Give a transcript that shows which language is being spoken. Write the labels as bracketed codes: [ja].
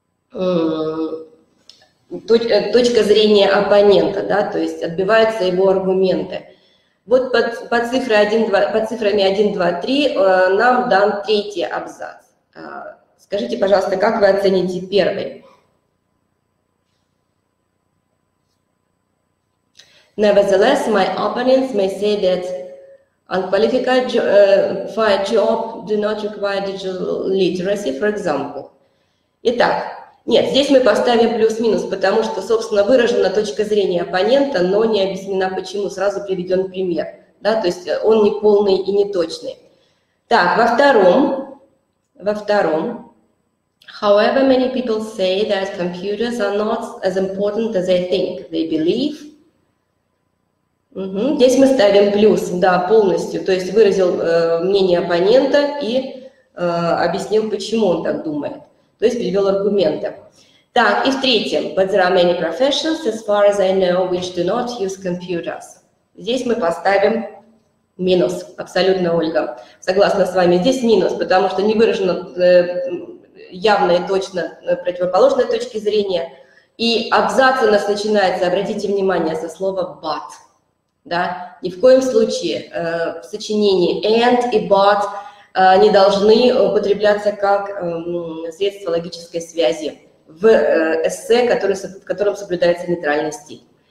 [ru] точка зрения оппонента, да, то есть отбиваются его аргументы. Вот под цифрами 1, 2, 3 нам дан третий абзац. Скажите, пожалуйста, как вы оцените первый? [en] Nevertheless, my opponents may say that unqualified fire job do not require digital literacy, for example. [ru] Итак, нет, здесь мы поставим плюс-минус, потому что, собственно, выражена точка зрения оппонента, но не объяснена почему, сразу приведен пример. Да, то есть он не полный и не точный. Так, во втором. [en] However, many people say that computers are not as important as they think. They believe. [ru] Здесь мы ставим плюс, да, полностью, то есть выразил мнение оппонента и объяснил, почему он так думает, то есть привел аргументы. Так, и в-третьем, [en] but there are many professions, as far as I know, which do not use computers. [ru] Здесь мы поставим минус, абсолютно, Ольга, согласна с вами, здесь минус, потому что не выражено явно и точно противоположной точки зрения, и абзац у нас начинается, обратите внимание, со слова but. Да, ни в коем случае в сочинении and и but не должны употребляться как средство логической связи в эссе, в котором соблюдается нейтральный стиль.